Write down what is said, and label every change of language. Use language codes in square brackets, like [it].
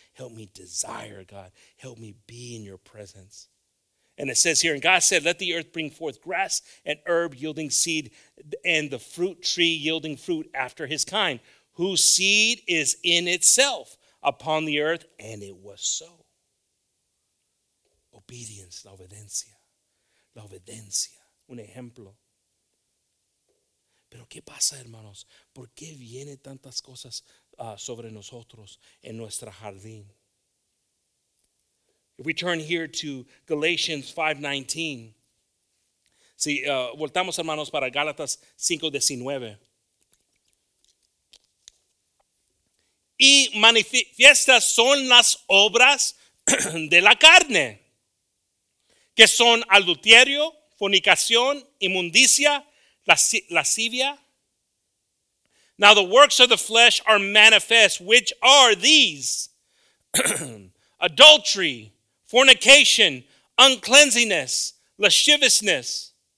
[en] Help me desire, God. Help me be in your presence. And it says here, and God said, let the earth bring forth grass and herb yielding seed, and the fruit tree yielding fruit after his kind, whose seed is in itself upon the earth. And it was so. Obedience, [es] la obediencia. La obediencia, un ejemplo. Pero ¿qué pasa, hermanos? ¿Por qué vienen tantas cosas sobre nosotros en nuestro jardín? [en] If we turn here to Galatians 5:19. [es] Si voltamos, hermanos, para Gálatas 5:19. Y manifiestas son las obras de la carne, que son adulterio, fornicación, inmundicia, lascivia. [en] Now the works of the flesh are manifest, which are these: adultery, fornication, uncleanness, lasciviousness.